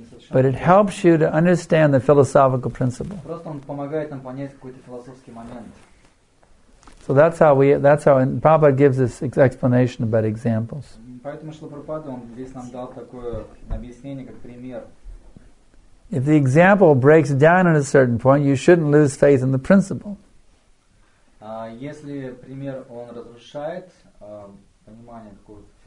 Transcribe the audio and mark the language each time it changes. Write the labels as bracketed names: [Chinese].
[English] But it helps you to understand the philosophical principle. [Russian] Просто он помогает нам понять какой-то философский момент. [English] So that's how we. That's how and Prabhupada gives us explanation about examples. [Russian] Поэтому Шрила Прабхупада он здесь нам дал такое объяснение как пример. [English] If the example breaks down at a certain point, you shouldn't lose faith in the principle. [Russian] Если пример он разрушает понимание какого-то.